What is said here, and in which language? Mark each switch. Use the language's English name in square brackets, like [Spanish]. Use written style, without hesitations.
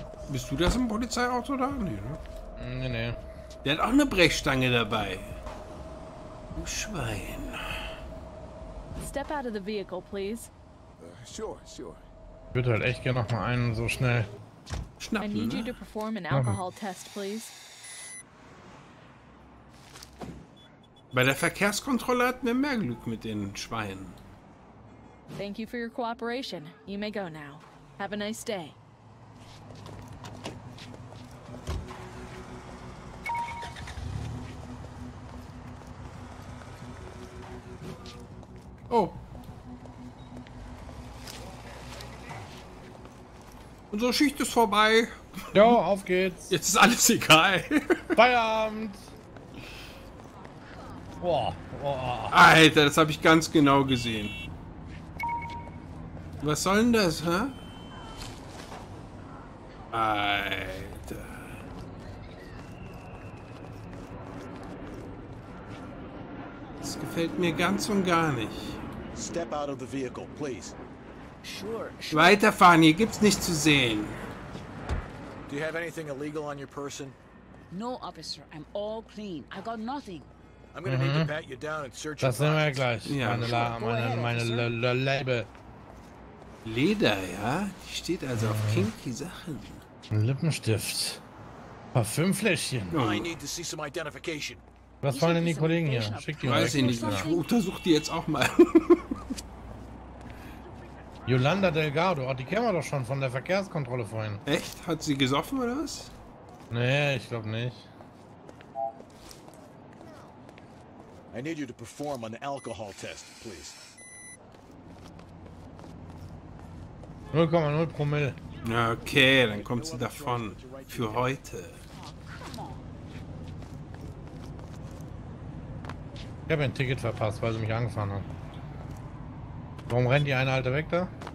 [German] Bist du das im Polizeiauto da? Nee, ne? Nee, nee. Der hat auch eine Brechstange dabei. Du Schwein. [English] Step out of the vehicle, please. Sure. [German] Ich würde halt echt gerne noch mal einen so schnell schnappen. [English] I need [German] ne? [English] you to perform an alcohol test, please. [German] Bei der Verkehrskontrolle hatten wir mehr Glück mit den Schweinen. [English] Thank you for your cooperation. You may go now. Have a nice day. Oh. [German] Unsere Schicht ist vorbei. Jo, auf geht's. Jetzt ist alles egal. Feierabend. Boah, boah. Alter, das habe ich ganz genau gesehen. Was soll denn das, hä? Alter. Das gefällt mir ganz und gar nicht. [English] Step out of the vehicle, please. Sure, sure. [German] Weiterfahren, hier gibt's nichts zu sehen. [English] Do you have anything illegal on your person? No, officer. I'm all clean. I got nothing. I'm gonna need to pat you down and search your pockets. [German] Das sehen wir gleich. Ja. Meine Leber. Leder, ja? Die steht also auf kinky Sachen. Lippenstift. Parfümfläschchen. Oh. [English] I need to see some identification. [German] Was wollen denn die Kollegen hier? Schick die mal. Weiß ich nicht, ich untersuch die jetzt auch mal. Yolanda Delgado, oh, die kennen wir doch schon von der Verkehrskontrolle vorhin. Echt? Hat sie gesoffen oder was? Nee, ich glaube nicht. [English] I need you to perform an alcohol test, please. [German] 0,0 Promille. Okay, dann kommt sie davon. Für heute. Ich habe ein Ticket verpasst, weil sie mich angefahren haben. Warum rennt die eine Alte weg da?